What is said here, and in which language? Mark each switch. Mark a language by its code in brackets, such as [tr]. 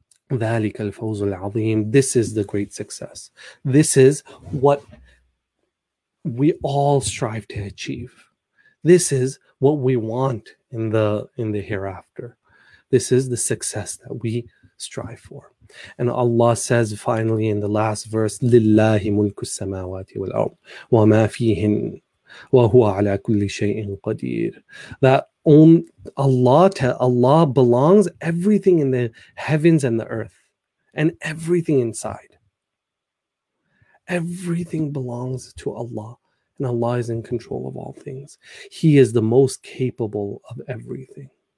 [ar] ذَلِكَ الْفَوْزُ الْعَظِيمُ. [en] This is the great success. This is what we all strive to achieve. This is what we want in the hereafter. This is the success that we strive for. And Allah says finally in the last verse, [ar] لِلَّهِ مُلْكُ السَّمَاوَاتِ وَالْأَرْضِ وَمَا فِيهِنَّ وَهُوَ عَلَى كُلِّ شَيْءٍ قَدِيرٌ. [en] That Allah belongs everything in the heavens and the earth and everything inside. Everything belongs to Allah. And Allah is in control of all things. He is the most capable of everything.